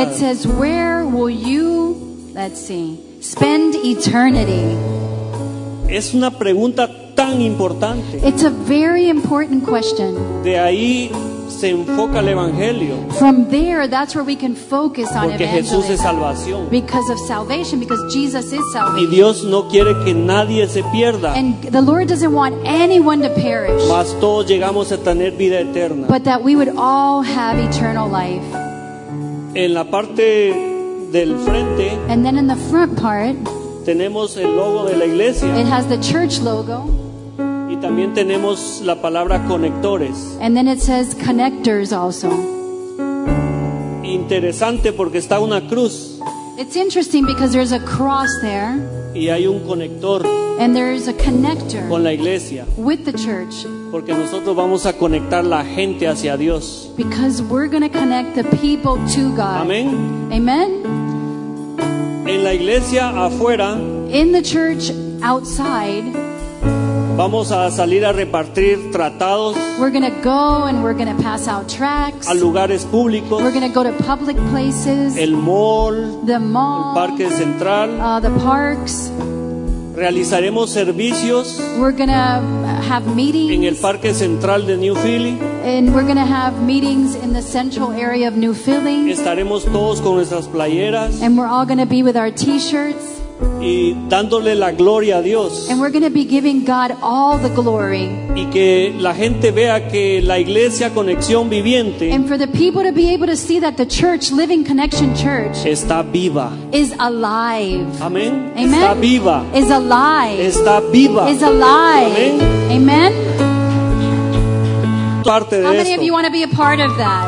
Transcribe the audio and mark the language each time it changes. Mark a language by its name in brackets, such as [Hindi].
[English] It says, where will you, let's see, spend eternity? [Spanish] Es una pregunta tan importante. [English] It's a very important question. [Spanish] De ahí se enfoca el evangelio. [English] From there, that's where we can focus on [Spanish] evangelism. Porque Jesús es salvación. [English] Because of salvation, because Jesus is salvation. [Spanish] Y Dios no quiere que nadie se pierda. [English] And the Lord doesn't want anyone to perish. [Spanish] Mas todos llegamos a tener vida eterna. [English] But that we would all have eternal life. [Spanish] En la parte del frente. [English] And then in the front part. [Spanish] Tenemos el logo de la iglesia. [English] It has the church logo. [Spanish] Y también tenemos la palabra conectores. [English] And then it says connectors also. [Spanish] Interesante porque está una cruz. [English] It's interesting because there's a cross there. [Spanish] Y hay un conector. [English] And there is a connector [Spanish] con la iglesia. [English] With the church. [Spanish] Porque nosotros vamos a conectar la gente hacia Dios. [English] Because we're going to connect the people to God. [Spanish] Amén. [English] Amen. [Spanish] En la iglesia afuera, [English] in the church outside, [Spanish] vamos a salir a repartir tratados. [English] We're going to go and we're going to pass out tracts. [Spanish] A lugares públicos. [English] We're going to go to public places. [Spanish] El mall. [English] The mall. [Spanish] El parque central. [English] The parks. [Spanish] Realizaremos servicios. [English] We're going to have meetings. [Spanish] En el parque central de New Philly. [English] And we're going to have meetings in the central area of New Philly. [Spanish] Estaremos todos con nuestras playeras. [English] And we're all going to be with our t-shirts. [Spanish] Y dándole la gloria a Dios. [English] And we're going to be giving God all the glory. [Spanish] Y que la gente vea que la iglesia Conexión Viviente. [English] And for the people to be able to see that the church, Living Connection Church, [Spanish] está viva. [English] Is alive. [Spanish] Amén. [English] Amen. [Spanish] Está viva. [English] Is alive. [Spanish] Está viva. [English] Is alive. [Spanish] Amén. [English] Amen. [Spanish] Parte de [English] How many [Spanish] esto. [English] Of you want to be a part of that?